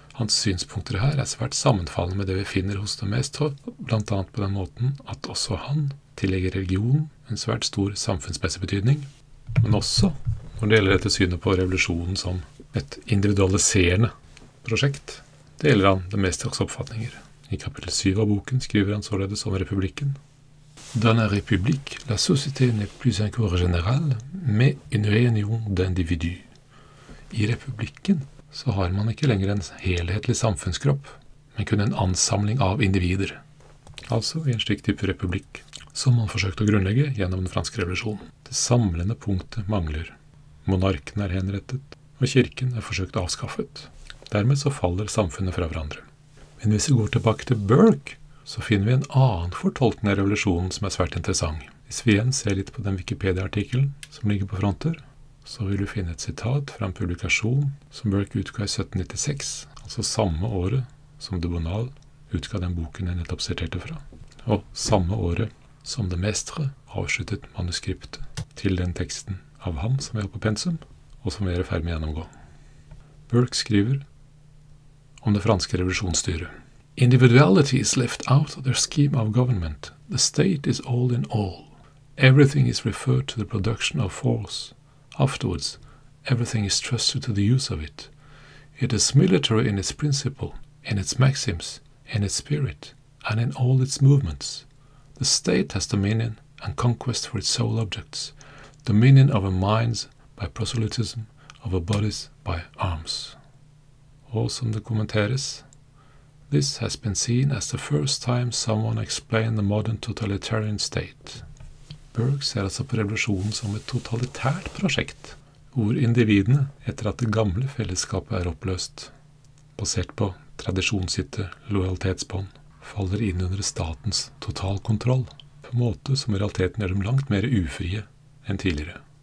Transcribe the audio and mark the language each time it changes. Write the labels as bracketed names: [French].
[Norwegian] Hans synspunkter her svært sammenfallende med det vi finner hos de Maistre, blant annet på den måten at også han tillegger religion en svært stor samfunnsmessig betydning, men også når det gjelder dette synet på revolusjonen som et individualiserende prosjekt, deler han de Maistres oppfatninger. I kapittel 7 av boken skriver han således om republikken. [French] Dans la république, la société n'est plus un corps général, mais une réunion d'individus. [Norwegian] I republikken så har man ikke lenger en helhetlig samfunnskropp, men kun en ansamling av individer. Altså i en slik type republikk, som man forsøkte å grunnlegge gjennom den franske revolusjonen. Det samlende punktet mangler. Monarken henrettet, og kirken forsøkt avskaffet. Dermed så faller samfunnet fra hverandre. Men hvis vi går tilbake til Burke, så finner vi en annen fortolkning av revolusjonen som svært interessant. Hvis vi igjen ser litt på den Wikipedia-artikkelen som ligger på fronter, så vil du finne et sitat fra en publikasjon som Burke utga i 1796, altså samme året som de Bonal utga den boken jeg nettopp siterte fra, og samme året som de Maistre avsluttet manuskriptet til den teksten av ham som er på pensum, og som vi ferdig med å gjennomgå. Burke skriver om det franske revolusjonsstyret. [English] Individuality is left out of their scheme of government. The state is all in all. Everything is referred to the production of force. Afterwards, everything is trusted to the use of it. It is military in its principle, in its maxims, in its spirit, and in all its movements. The state has dominion and conquest for its sole objects. Dominion over minds by proselytism, over bodies by arms. Also in the commentaries, this has been seen as the first time someone explained the modern totalitarian state. [Norwegian] Berg ser altså på revolusjonen som et totalitært prosjekt, hvor individene, etter at det gamle fellesskapet er oppløst, basert på tradisjonshytte, lojalitetsbånd, faller inn under statens totalkontroll, på en måte som i realiteten gjør dem langt mer ufrie enn tidligere.